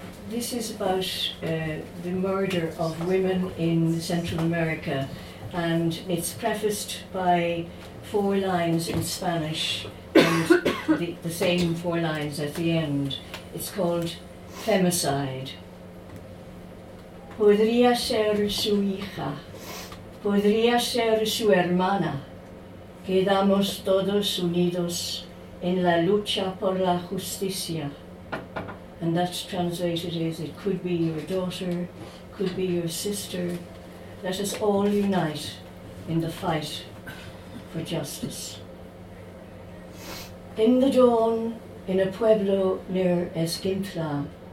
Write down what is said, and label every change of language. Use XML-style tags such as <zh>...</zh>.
<en>This is about the murder of women in Central America, and it's prefaced by four lines in Spanish and the same four lines at the end. It's called Femicide.</en> <es>Podría ser su hija, podría ser su hermana. Quedamos todos unidos en la lucha por la justicia.</es> <en>And that's translated as, it could be your daughter, could be your sister. Let us all unite in the fight for justice. In the dawn, in a pueblo near Escuintla,</en>